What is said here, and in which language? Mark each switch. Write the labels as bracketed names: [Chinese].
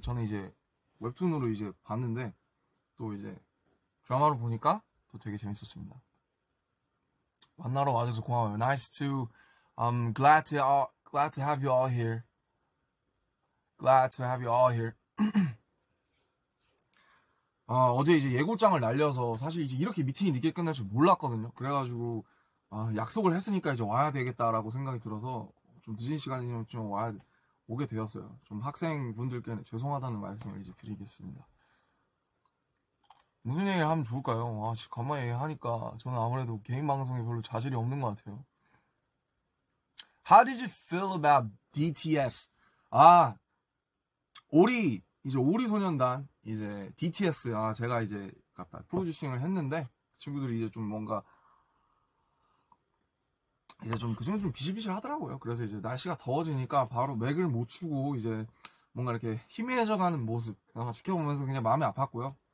[Korean] 저는 이제 웹툰으로 이제 봤는데 또 이제 드라마로 보니까 또 되게 재밌었습니다. 만나러 와줘서 고마워요. [English] Nice to, glad to have you all here. Glad to have you all here. [Korean] 아, 어제 이제 예고장을 날려서 사실 이제 이렇게 미팅이 늦게 끝날 줄 몰랐거든요. 그래가지고 아, 약속을 했으니까 이제 와야 되겠다라고 생각이 들어서 좀 늦은 시간이면 좀 와야 오게 되었어요. 좀 학생분들께는 죄송하다는 말씀을 이제 드리겠습니다. 무슨 얘기를 하면 좋을까요? 아, 가만히 얘기하니까 저는 아무래도 개인 방송에 별로 자질이 없는 것 같아요. [English] How did you feel about BTS? [Korean] 아, 오리, 이제 오리 소년단, 이제 DTS, 아, 제가 이제 갖다 프로듀싱을 했는데 친구들이 이제 좀 뭔가 이제 좀 그중에 좀 비실비실 하더라고요. 그래서 이제 날씨가 더워지니까 바로 맥을 못 추고 이제 뭔가 이렇게 희미해져가는 모습 지켜보면서 그냥 마음이 아팠고요.